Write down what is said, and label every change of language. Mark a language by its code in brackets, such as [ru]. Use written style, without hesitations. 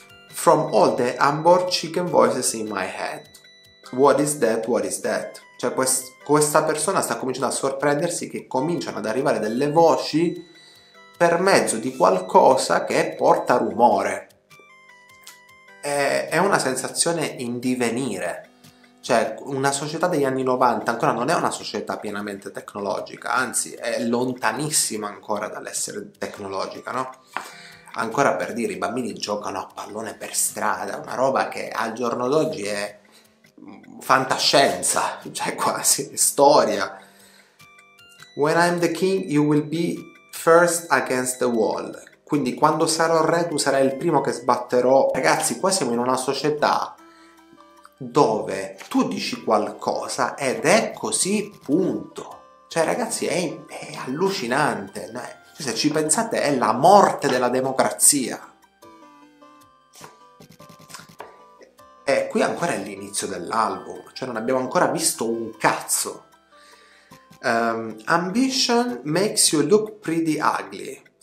[en] From all the Amber Chicken voices in my head. What is that? What is that? [it] Cioè, questa persona sta cominciando a sorprendersi che cominciano ad arrivare delle voci per mezzo di qualcosa che porta rumore. È una sensazione in divenire. Cioè, una società degli anni 90 ancora non è una società pienamente tecnologica, anzi è lontanissima ancora dall'essere tecnologica, no? Ancora, per dire, i bambini giocano a pallone per strada, una roba che al giorno d'oggi è fantascienza, cioè quasi storia. [en] When I'm the king, you will be first against the wall. [it] Quindi quando sarò re, tu sarai il primo che sbatterò. Ragazzi, qua siamo in una società dove tu dici qualcosa ed è così, punto. Cioè, ragazzi, è allucinante. Se ci pensate, è la morte della democrazia. E qui ancora è l'inizio dell'album. Cioè, non abbiamo ancora visto un cazzo. [en] Ambition makes you look pretty ugly.